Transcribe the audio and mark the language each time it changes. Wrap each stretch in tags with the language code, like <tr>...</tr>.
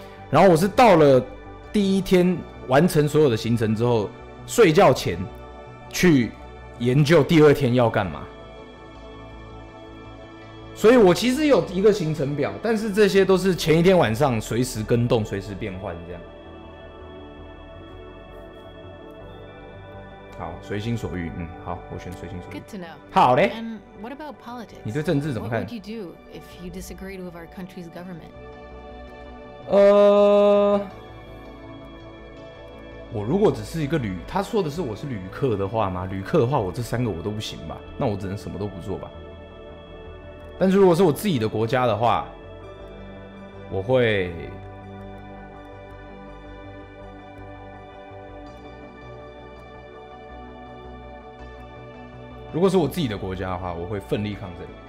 <zh>然后我是到了第一天完成所有的行程之后，睡觉前去研究第二天要干嘛，所以我其实有一个行程表，但是这些都是前一天晚上随时更动、随时变换这样。好，随心所欲，嗯，好，我选随心所欲。</zh> <en>Good to know.</en> <zh>好嘞。</zh> <en>And what about politics?</en> <zh>你对政治怎么看</zh> <en>？What would you do if you disagreed with our country's government?</en> <zh>我如果只是一个旅，他说的是我是旅客的话吗？旅客的话，我这三个我都不行吧？那我只能什么都不做吧？但是如果是我自己的国家的话，我会，如果是我自己的国家的话，我会奋力抗争。</zh>